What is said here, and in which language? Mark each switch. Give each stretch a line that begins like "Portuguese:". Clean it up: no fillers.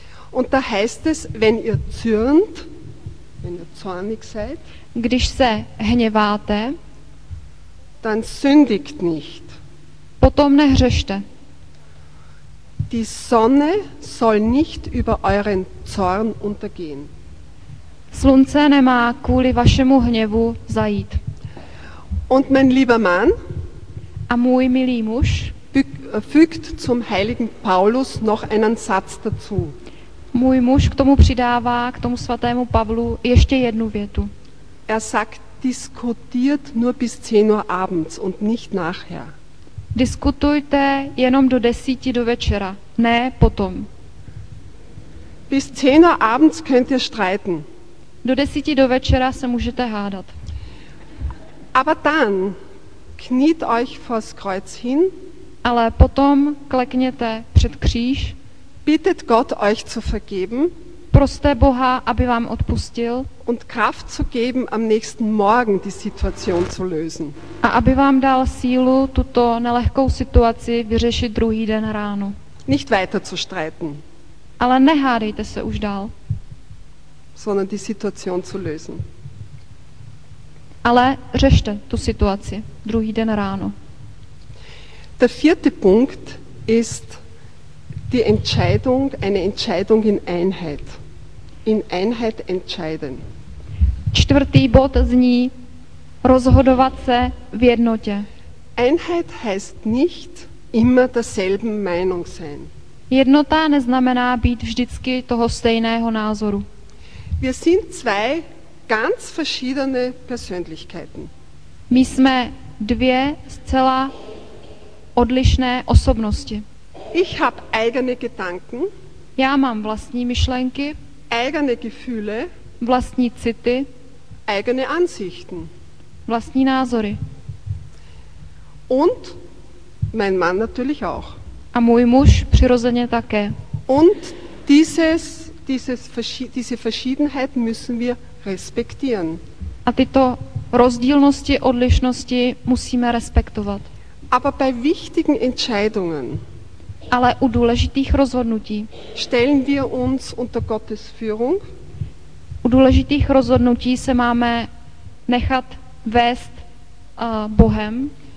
German: Und da heißt es, wenn ihr zürnt, wenn ihr zornig seid,
Czech: když se hněváte,
German: dann sündigt nicht.
Czech: Potom nehřešte.
German: Die Sonne soll nicht über euren Zorn untergehen.
Czech: Slunce nemá kvůli vašemu hněvu zajít.
German: Und mein lieber Mann,
Czech: a můj milý muž,
German: fügt zum heiligen Paulus noch einen Satz dazu.
Czech: Můj muž k tomu přidává, k tomu svatému Pavlu, ještě jednu větu.
German: Er sagt, diskutiert nur bis 10 Uhr abends und nicht nachher.
Czech: Diskutujte jenom do 10 do večera, ne potom.
German: Bis 10 Uhr abends könnt ihr streiten.
Czech: Do 10 do večera se můžete hádat.
German: Aber dann kniet euch vors Kreuz hin.
Czech: Ale potom klekněte před kříž.
German: Bittet Gott euch zu vergeben.
Czech: Proste Boha, aby vám odpustil.
German: Und Kraft zu geben, am nächsten Morgen die Situation zu lösen.
Czech: A aby vám dal sílu tuto nelehkou situaci vyřešit druhý den ráno.
German: Nicht weiter zu streiten.
Czech: Ale nehádejte se už dál.
German: Sondern die Situation zu lösen.
Czech: Ale řešte tu situaci druhý den ráno.
German: Der vierte Punkt ist die Entscheidung, eine Entscheidung in Einheit. In Einheit entscheiden.
Czech: Čtvrtý bod zní rozhodovat se v jednotě.
German: Einheit heißt nicht immer derselben Meinung sein.
Czech: Jednota neznamená být vždycky toho stejného názoru.
German: Wir sind zwei ganz verschiedene Persönlichkeiten.
Czech: My jsme dvě zcela odlišné osobnosti.
German: Ich habe eigene Gedanken.
Czech: Já mám vlastní myšlenky.
German: Eigene Gefühle.
Czech: Vlastní city.
German: Eigene Ansichten.
Czech: Vlastní názory.
German: Und mein Mann natürlich auch.
Czech: A můj muž přirozeně také.
German: Und diese Verschiedenheit müssen wir respektieren.
Czech: A tyto rozdílnosti, odlišnosti musíme respektovat.
German: Aber bei wichtigen Entscheidungen,
Czech: ale u důležitých rozhodnutí,
German: stellen wir uns unter Gottes Führung.
Czech: U důležitých rozhodnutí se máme nechat vést Bohem.